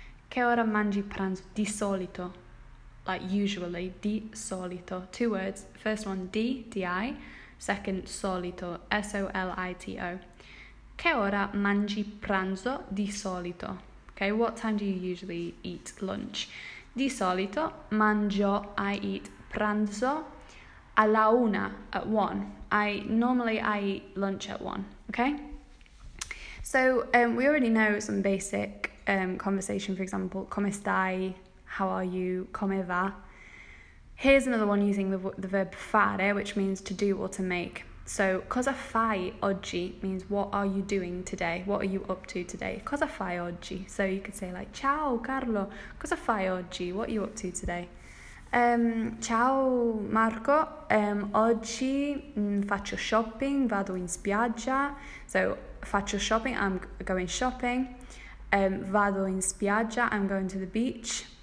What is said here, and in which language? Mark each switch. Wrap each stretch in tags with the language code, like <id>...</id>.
<it>Che ora mangi pranzo? Di solito,</it> <en>like usually,</en> <it>di solito.</it> <en>Two words, first one di, D-I, second solito, S-O-L-I-T-O.</en> <it>Che ora mangi pranzo di solito?</it> <en>Okay, what time do you usually eat lunch?</en> <it>Di solito, mangio,</it> <en>I eat</en> <it>pranzo, alla una,</it> <en>at 1. I normally eat lunch at 1, okay? So, we already know some basic conversation, for example,</en> <it>come stai,</it> <en>how are you,</en> <it>come va.</it> <en>Here's another one using the verb fare, which means to do or to make. So,</en> <it>cosa fai oggi</it> <en>means what are you doing today? What are you up to today?</en> <it>Cosa fai oggi?</it> <en>So you could say like,</en> <it>ciao Carlo, cosa fai oggi?</it> <en>What are you up to today?</en> <it>Ciao Marco, oggi faccio shopping, vado in spiaggia.</it> <en>So</en> <it>faccio shopping,</it> <en>I'm going shopping.</en> <it>Vado in spiaggia,</it> <en>I'm going to the beach.</en>